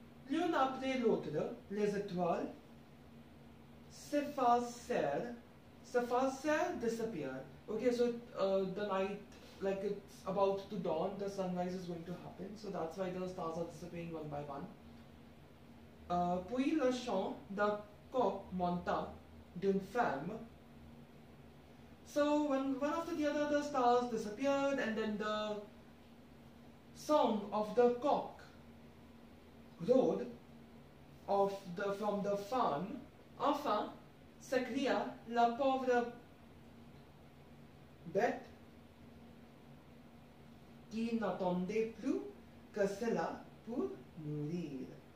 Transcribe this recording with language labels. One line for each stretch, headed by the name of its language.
French: L'une après l'autre, les étoiles s'effacèrent,
English: disappeared. Okay, so the night, like it's about to dawn, the sunrise is going to happen, so that's why the stars are disappearing one by one.
French: Puis le chant de coq monta d'une ferme.
English: So when one after the other the stars disappeared, and then the song of the cock rode from the farm.
French: Enfin, s'écria la pauvre bête qui n'attendait plus que cela pour mourir.